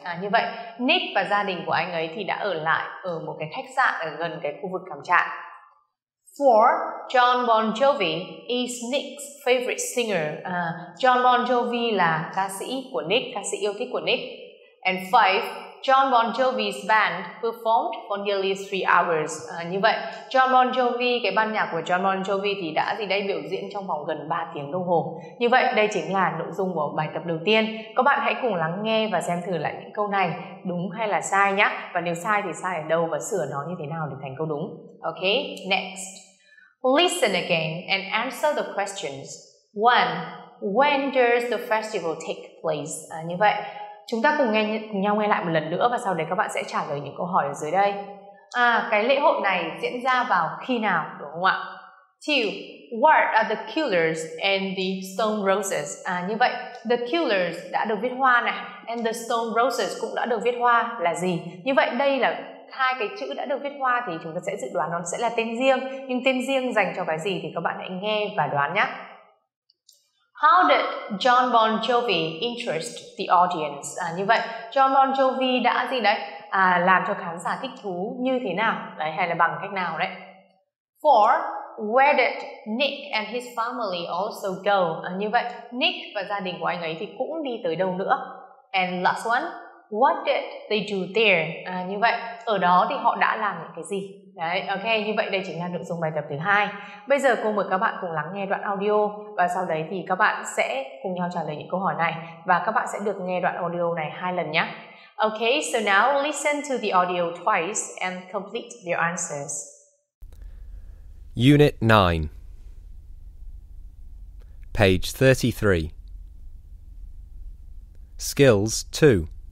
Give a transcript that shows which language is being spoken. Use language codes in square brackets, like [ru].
[vi] À, như vậy, Nick và gia đình của anh ấy thì đã ở lại ở một cái khách sạn ở gần cái khu vực cắm trại. [en] Four, John Bon Jovi is Nick's favorite singer. [vi] John Bon Jovi là ca sĩ của Nick, ca sĩ yêu thích của Nick. [en] And five, John Bon Jovi's band performed for nearly 3 hours. [vi] Như vậy, John Bon Jovi, cái ban nhạc của John Bon Jovi thì đã gì đây biểu diễn trong vòng gần 3 tiếng đồng hồ. Như vậy, đây chính là nội dung của bài tập đầu tiên. Các bạn hãy cùng lắng nghe và xem thử lại những câu này đúng hay là sai nhé. Và nếu sai thì sai ở đâu và sửa nó như thế nào để thành câu đúng. Okay, next. [en] Listen again and answer the questions. One, when does the festival take place? [vi] Như vậy, chúng ta cùng nhau nghe lại một lần nữa và sau đấy các bạn sẽ trả lời những câu hỏi ở dưới đây. À, cái lễ hội này diễn ra vào khi nào, đúng không ạ? [en] Two, what are the killers and the stone roses? [vi] À, như vậy, the killers đã được viết hoa này and the stone roses cũng đã được viết hoa là gì? Như vậy, đây là hai cái chữ đã được viết hoa thì chúng ta sẽ dự đoán nó sẽ là tên riêng. Nhưng tên riêng dành cho cái gì thì các bạn hãy nghe và đoán nhé. [en] How did John Bon Jovi interest the audience? [vi] À, như vậy, John Bon Jovi đã gì đấy? À, làm cho khán giả thích thú như thế nào? Đấy, hay là bằng cách nào đấy? [en] Four, where did Nick and his family also go? [vi] À, như vậy, Nick và gia đình của anh ấy thì cũng đi tới đâu nữa? [en] And last one, what did they do there? [vi] À, như vậy, ở đó thì họ đã làm những cái gì? Đấy, ok, như vậy đây chính là nội dung bài tập thứ hai. Bây giờ cô mời các bạn cùng lắng nghe đoạn audio và sau đấy thì các bạn sẽ cùng nhau trả lời những câu hỏi này và các bạn sẽ được nghe đoạn audio này hai lần nhé. [en] Ok, so now listen to the audio twice and complete your answers. Unit 9. Page 33. Skills 2.